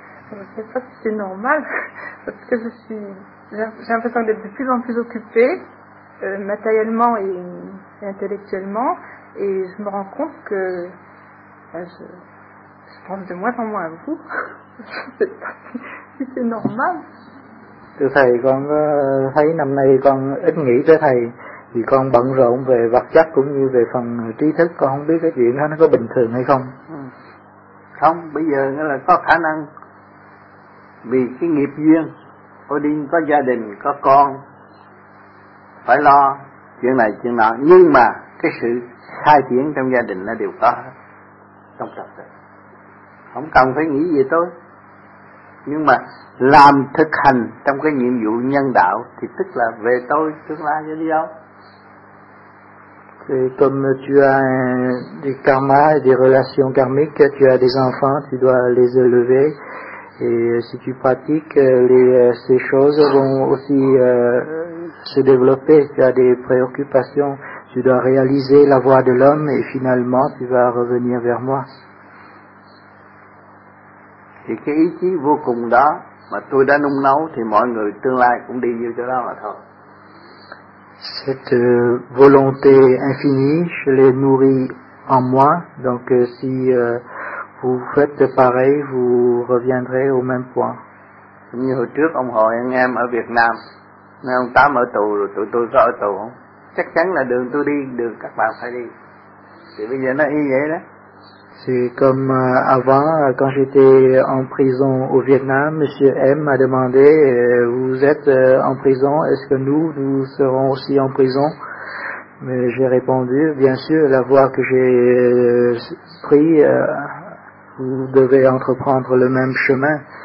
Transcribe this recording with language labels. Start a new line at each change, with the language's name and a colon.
French: Je ne sais pas si c'est normal, parce que j'ai l'impression d'être de plus en plus occupée, matériellement et intellectuellement, et je me rends compte que je pense de moins en moins à vous. Je ne sais pas si c'est normal.
Vietnamese: Thưa thầy, con thấy năm nay con ít nghĩ tới thầy, vì con bận rộn về vật chất cũng như về phần trí thức, con không biết cái chuyện đó nó có bình thường hay không. Không, bây giờ nghĩa là có khả năng, vì cái nghiệp duyên, Odin có gia đình, có con, phải lo chuyện này, chuyện nọ, nhưng mà cái sự khai triển trong gia đình nó đều có trong tập thể. Không cần phải nghĩ gì tôi, nhưng mà làm thực hành trong cái nhiệm vụ nhân đạo thì tức là về tôi tương lai sẽ đi đâu.
French: Et comme tu as des karmas et des relations karmiques, tu as des enfants, tu dois les élever. Et si tu pratiques, ces choses vont aussi se développer. Tu as des préoccupations, tu dois réaliser la voie de l'homme et finalement tu vas revenir vers moi. Et
Vietnamese: cái ý chí vô cùng đó mà tôi đã nung nấu thì mọi người tương lai cũng đi như chỗ đó mà thôi.
French: Cette volonté infinie, je l'ai nourrie en moi, donc si vous faites pareil, vous reviendrez au même point. Comme
Vietnamese: như hồi trước, ông Hội anh em ở Việt Nam, nên ông Tám ở tù rồi, tụi tôi có ở tù không? Chắc chắn là đường tôi đi, đường các bạn phải đi. Thì bây giờ nó y vậy đó.
French: C'est comme avant, quand j'étais en prison au Vietnam, Monsieur M m'a demandé, vous êtes en prison, est-ce que nous serons aussi en prison? Mais j'ai répondu, bien sûr, la voie que j'ai prise, vous devez entreprendre le même chemin.